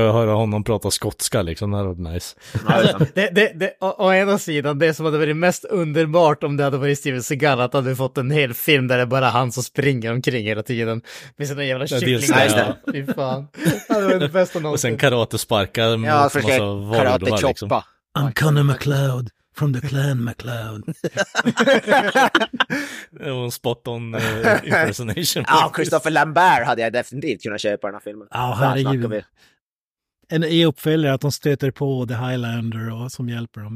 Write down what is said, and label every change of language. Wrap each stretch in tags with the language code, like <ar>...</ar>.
<sv>höra honom prata skotska liksom, det var nice. Å ena sidan, det som hade varit mest underbart om det hade varit Steven Seagal, att han hade fått en hel film där det är bara han som springer omkring hela tiden med sina jävla kycklingar. Ja, fy fan. Det var det bästa någonsin. Och sen karate sparkar med en massa vardor. Karate choppa. Liksom.</sv> <en>I'm Connor McLeod from the clan McLeod.</en> <sv>Det var en</sv> <en>spot on impersonation.</en> <sv>Ja, Christopher Lambert hade jag definitivt kunnat köpa den här filmen. Ja, herregud. En uppföljare att de stöter på The Highlander och som hjälper dem.</sv>